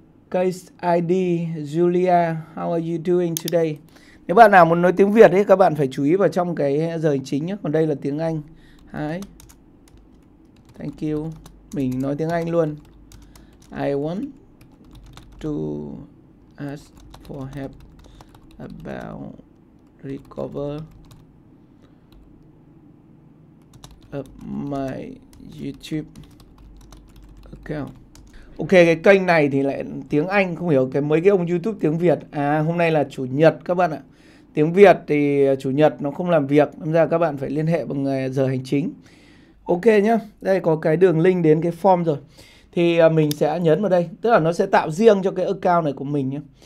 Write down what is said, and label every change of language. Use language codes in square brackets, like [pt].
[en] Case ID Julia, how are you doing today? [vi] Nếu bạn nào muốn nói tiếng Việt ấy, các bạn phải chú ý vào trong cái giờ hành chính nhé. Còn đây là tiếng Anh. [en] Hi. Thank you. [vi] Mình nói tiếng Anh luôn. [en] I want to ask for help about recover my YouTube account. [vi] Ok, cái kênh này thì lại tiếng Anh, không hiểu cái mấy cái ông YouTube tiếng Việt. À, hôm nay là chủ nhật các bạn ạ. Tiếng Việt thì chủ nhật nó không làm việc, nên ra các bạn phải liên hệ bằng giờ hành chính. Ok nhá. Đây có cái đường link đến cái form rồi. Thì mình sẽ nhấn vào đây, tức là nó sẽ tạo riêng cho cái account này của mình nhé.